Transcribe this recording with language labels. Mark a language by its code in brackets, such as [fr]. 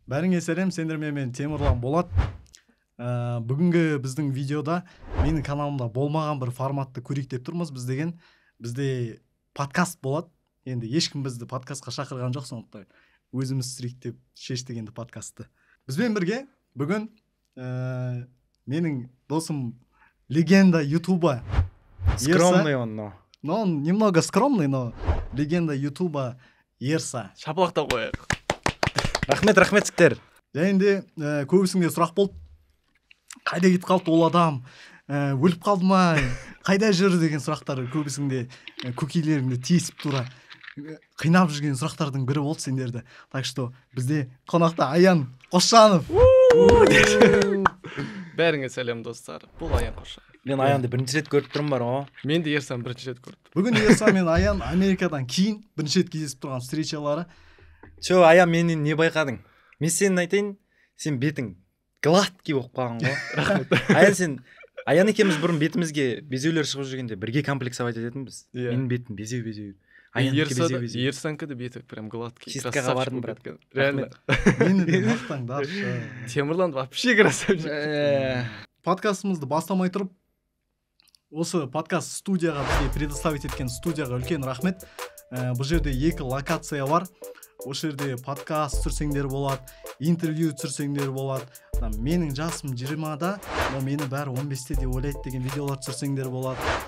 [kk] Бәріңе сәлем, сендер мен Темірлан Болат. Бүгінгі біздің видеода менің каналымда болмаған бір форматты көрейік деп тұрмыз. Біз деген бізде подкаст болады. Енді ешкім бізді подкастқа шақырған жоқ, сондықтан өзіміз түсірейік деп шештік енді подкастты. Бізбен бірге бүгін менің досым легенда Ютуба. [ru] Скромный он, но. Но он немного скромный, но легенда Ютуба Ерса. [kk] Шапалақтап қояйық. Рахмет, рахмет сіздер. Және де көбісіңде сұрақ болды. Қайда кетіп қалды ол адам? Өліп қалды ма? Қайда жүр деген сұрақтар көбісіңде көкейлеріңді тесіп тұра. Қинап жүрген сұрақтардың бірі болды сендерді. [ru] Так что [kk] бізде қонақта Аян Қошанов. Бәріңе сәлем достар. Бұл Аян Қошанов. Мен Аянды бірінші рет көріп тұрмын бар, о. Мен де Ерсан бірінші рет көрдім. Бүгін Ерсан мен Аян Америкадан кейін бірінші рет кездесіп тұрған встречалары. Че, Аян, менен не байқадың? Мен сені айтайын, сен бетің гладкий болып қалған ғой. Рахмет. Аян, сен Аян екеміз бұрын бетімізге безеулер шығып жүргенде бірге комплексовать ететінбіз. Менің бетім безеу-безеу. Ерсанка да беті [ru] прям гладкий. [kk] Чисткаға бардым, брат. [ru] Реально. [kk] Мені де мақтаңдаршы. [ru] Темірлан вообще красавчик. [kk] Подкастымызды бастамай тұрып, осы подкаст студияға бізге предоставить еткен студияға үлкен рахмет. Бұл жерде екі локация бар. Осы жерде подкаст түсірсеңдер болады, интервью түсірсеңдер болады. Там менің жасым 20-да, но мені бәрі 15-те деп ойлайды деген видеолар түсірсеңдер болады.